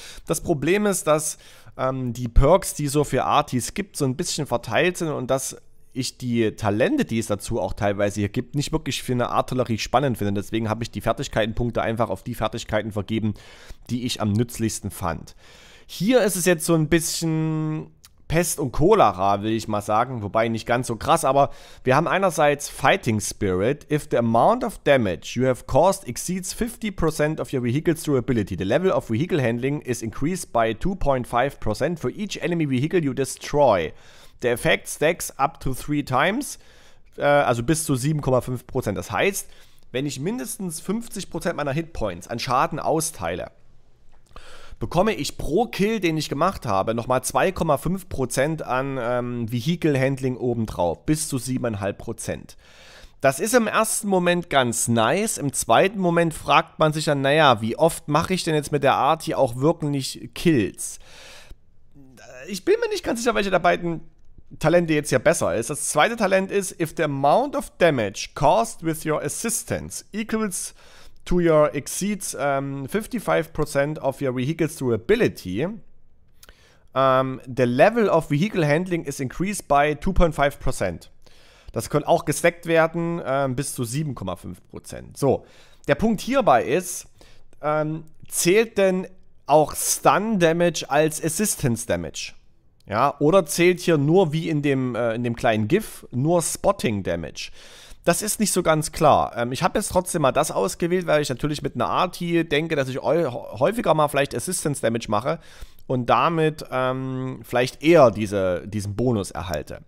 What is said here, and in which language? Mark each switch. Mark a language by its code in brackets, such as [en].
[de] Das Problem ist, dass die Perks, die so für Artis gibt, so ein bisschen verteilt sind und dass ich die Talente, die es dazu auch teilweise hier gibt, nicht wirklich für eine Artillerie spannend finde. Deswegen habe ich die Fertigkeitenpunkte einfach auf die Fertigkeiten vergeben, die ich am nützlichsten fand. Hier ist es jetzt so ein bisschen Pest und Cholera, will ich mal sagen, wobei nicht ganz so krass, aber wir haben einerseits Fighting Spirit. [en] If the amount of damage you have caused exceeds 50% of your vehicle's durability, the level of vehicle handling is increased by 2.5% for each enemy vehicle you destroy. The effect stacks up to 3 times, [de] also bis zu 7.5%. Das heißt, wenn ich mindestens 50% meiner Hitpoints an Schaden austeile, bekomme ich pro Kill, den ich gemacht habe, nochmal 2.5% an Vehicle Handling obendrauf, bis zu 7.5%. Das ist im ersten Moment ganz nice. Im zweiten Moment fragt man sich dann, naja, wie oft mache ich denn jetzt mit der Art hier auch wirklich Kills? Ich bin mir nicht ganz sicher, welche der beiden Talente jetzt hier besser ist. Das zweite Talent ist, [en] if the amount of damage caused with your assistance equals to your exceeds 55% of your vehicle's durability, the level of vehicle handling is increased by 2.5%. [de] Das kann auch gesteckt werden bis zu 7,5%. So, der Punkt hierbei ist, zählt denn auch Stun-Damage als Assistance-Damage? Ja, oder zählt hier nur, wie in dem kleinen GIF, nur Spotting-Damage? Das ist nicht so ganz klar. Ich habe jetzt trotzdem mal das ausgewählt, weil ich natürlich mit einer Art hier denke, dass ich häufiger mal vielleicht Assistance-Damage mache und damit vielleicht eher diesen Bonus erhalte.